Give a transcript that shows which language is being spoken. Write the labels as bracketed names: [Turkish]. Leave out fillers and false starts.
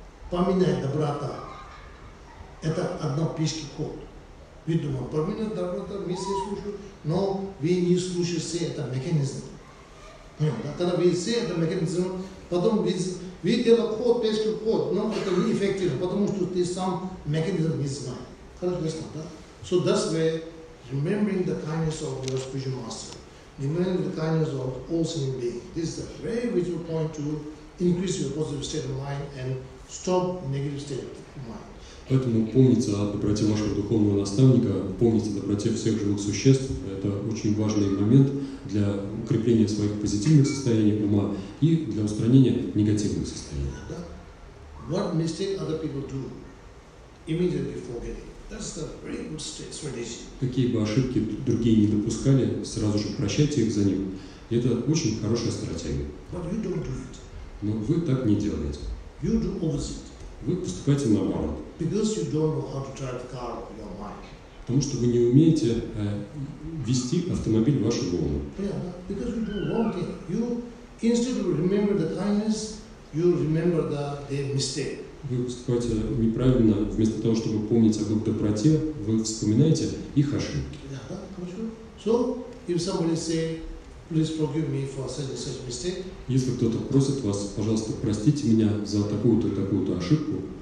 [Russian] Поминай доброта. Это одна пешки ход. Вы думаете, поминай доброта, мы все слушаем, но вы не слушаете все это механизм. Понимаете? Когда вы все это механизм, потом вы делаете ход, пешки ход, но это неэффективно, потому что ты сам механизм не знаешь. Хорошо, да? [English] So that's where remembering the kindness of your spiritual master. Remember the kindness of all sentient beings. This is a very vital point to increase your positive state of mind and Stop negative state of mind. [Russian] Поэтому помнить о доброте вашего духовного наставника, помнить о доброте всех живых существ – это очень важный момент для укрепления своих позитивных состояний ума и для устранения негативных состояний. [English] What mistake other people do, immediately forgetting. That's the very good state strategy. [Russian] Какие бы ошибки другие не допускали, сразу же прощайте их за них. Это очень хорошая стратегия. [English] But you don't do it. [Russian] Но вы так не делаете. [English] You do opposite. [Russian] Вы поступаете наоборот. [English] Because you don't know how to drive the car of your mind. [Russian] Потому что вы не умеете вести автомобиль вашего ума. [English] Yeah, because you do wrong thing. You instead of remember the kindness, you remember the mistake. [Russian] Вы поступаете неправильно. Вместо того, чтобы помнить об их доброте, вы вспоминаете их ошибки. [English] Yeah, sure. So, if somebody say, please forgive me for such mistake. [Russian] Если кто-то просит вас, пожалуйста, простите меня за такую-то и такую-то ошибку.